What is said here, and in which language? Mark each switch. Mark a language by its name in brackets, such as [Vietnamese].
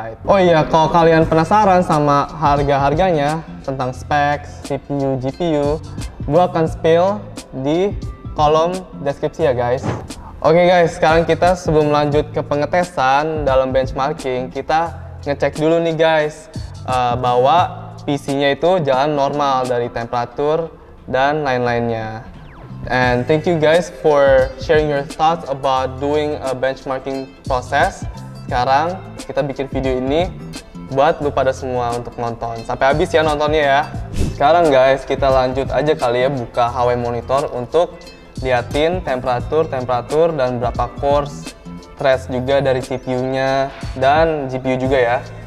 [Indonesian] Oh iya, kalau kalian penasaran sama harga-harganya tentang specs, CPU, GPU, gue akan spill di kolom deskripsi ya guys. Oke guys, sekarang kita sebelum lanjut ke pengetesan dalam benchmarking, kita ngecek dulu nih guys bahwa PC-nya itu jalan normal dari temperatur dan lain-lainnya. [English] And thank you guys for sharing your thoughts about doing a benchmarking process. [Indonesian] Sekarang kita bikin video ini buat lu pada semua untuk nonton. Sampai habis ya nontonnya ya. Sekarang guys, kita lanjut aja kali ya buka HW monitor untuk liatin temperatur dan berapa core stress juga dari CPU-nya dan GPU juga ya.